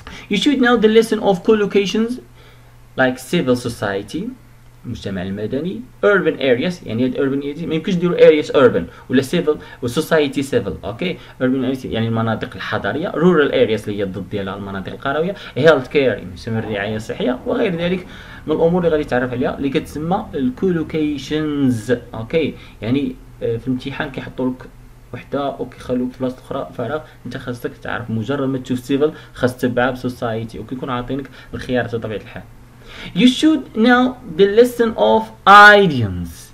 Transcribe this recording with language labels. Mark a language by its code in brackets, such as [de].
[en] You should know the lesson of collocations like civil society, [ar] المجتمع المدني, [en] urban areas, يعني urban areas, [ar] ما يمكنش ديروا [en] areas urban, ولا civil, وsociety civil, okay? [ar] Urban areas, يعني المناطق الحضرية, rural areas اللي هي ضد ديالها المناطق القروية, health care, يسمى الرعاية الصحية, وغير ذلك من الأمور اللي غادي تعرف عليها اللي كتسمى collocations, okay? يعني في الامتحان كيحطوا لك وحدة وكيخلوك في بلاصة أخرى فراغ, أنت خاصك تعرف مجرد ما تشوف سيفل خاص تبعها بسوسايتي وكيكون عاطينك الخيار في طبيعة الحال. [en] You should know the lesson of idioms.